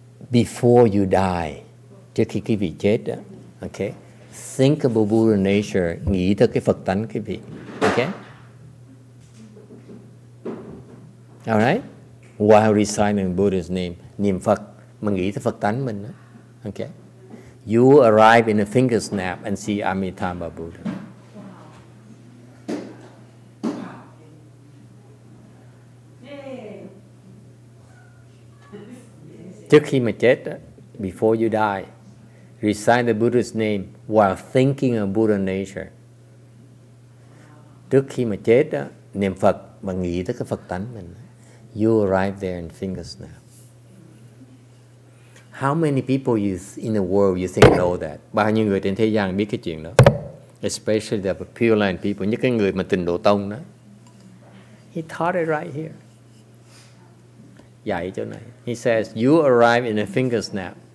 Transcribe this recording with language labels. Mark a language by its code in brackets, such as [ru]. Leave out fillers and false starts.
[en] Before you die, [vi] trước khi quý vị chết đó, okay? [en] Think about Buddha nature, [vi] nghĩ tới cái Phật tánh quý vị, okay? [en] All right? While reciting Buddha's name, [vi] niệm Phật, mà nghĩ tới Phật tánh mình đó, okay? [en] you arrive in a finger snap and see Amitabha Buddha. [vi] Trước khi mà chết, [en] before you die, recite the Buddha's name while thinking of Buddha nature. [vi] Trước khi mà chết, niệm Phật và nghĩ tới cái Phật tánh mình. [en] You arrive there in finger snap. How many people you in the world you think know that? [vi] Bao nhiêu người trên thế gian biết cái chuyện đó? [en] Especially the Pure Land people, [vi] những cái người mà tịnh độ tông đó. [en] He taught it right here. [vi] Dạy chỗ này. [en] He says, you arrive in a finger snap.